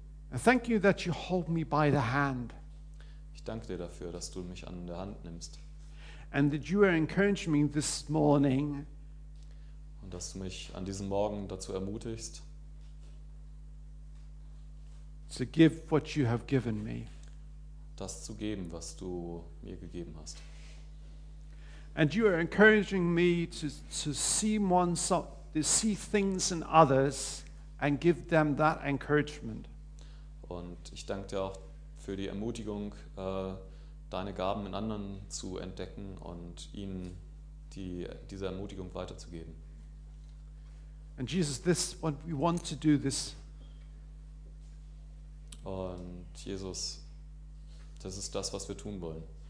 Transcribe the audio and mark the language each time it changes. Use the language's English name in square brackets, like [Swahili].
[English] And thank you that you hold me by the hand. [German] Ich danke dir dafür, dass du mich an der Hand nimmst. [English] And that you are encouraging me this morning. [German] Und dass du mich an diesem Morgen dazu ermutigst. [English] To give what you have given me. [German] Das zu geben, was du mir gegeben hast. [English] And you are encouraging me to see one so, to see things in others and give them that encouragement. [German] Und ich danke dir auch für die Ermutigung, deine Gaben in anderen zu entdecken und ihnen diese Ermutigung weiterzugeben. [English] And Jesus, this what we want to do this. [German] Und Jesus, das ist das, was wir tun wollen.